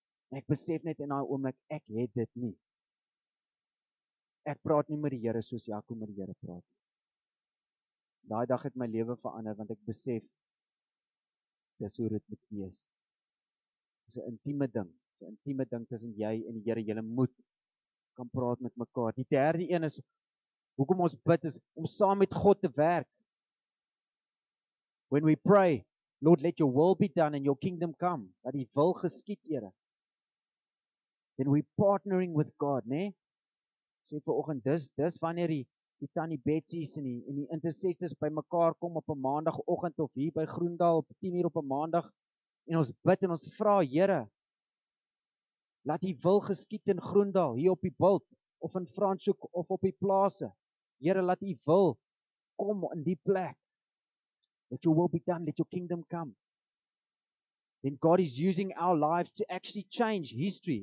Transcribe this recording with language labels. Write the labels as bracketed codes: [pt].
[af] En ek besef net in die oomblik, ek het dit nie. Ek praat nie met die Here soos Jaco met die Here praat. Daai dag het my lewe verander, want ek besef, dis hoe dit moet wees. Dis 'n intieme ding. Dis 'n intieme ding tussen jy en die Here. Julle moet kan praat met mekaar. Die derde een is, hoekom ons bid is, om saam met God te werk. [en] When we pray, Lord, let your will be done and your kingdom come. [af] Dat die wil geskied, Here. [en] Then we partnering with God, [af] nee? Sê vir oggend, dis wanneer die Tannie Betsy's en die intercessors by mekaar kom op 'n maandagoggend of hier by Groendal op 10 uur op 'n maandag en ons bid en ons vra, Here, laat die wil geskiet in Groendal, hier op die bult, of in Franshoek, of op die plase. Here, laat die wil kom in die plek. [en] Let your will be done. Let your kingdom come. Then God is using our lives to actually change history.